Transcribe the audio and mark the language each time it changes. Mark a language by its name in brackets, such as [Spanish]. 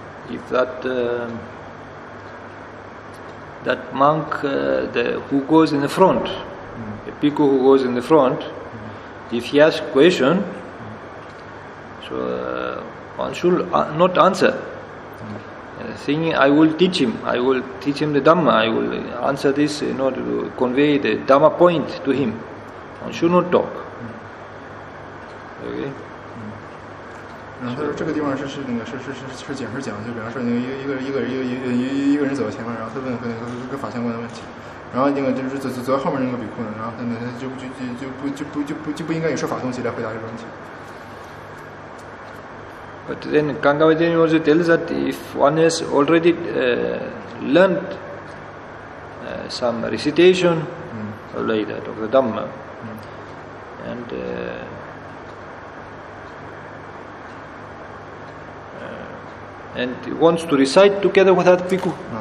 [English] If that that monk who goes in the front, a bhikkhu who goes in the front, if he asks a question, so one should not answer, thinking I will teach him the Dhamma, I will answer this in order to convey the Dhamma point to him. One should not talk. Okay. [Chinese] 然后他说这个地方是解释讲，就比方说一个人走到前面，然后他问个法相关的问题，然后那个就是则后面那个比库呢，然后他们就不应该以说法东西来回答这个问题。 [English] But then Kangavadin also tells that if one has already learned some recitation or like that of the Dhamma, and and wants to recite together with that bhikkhu.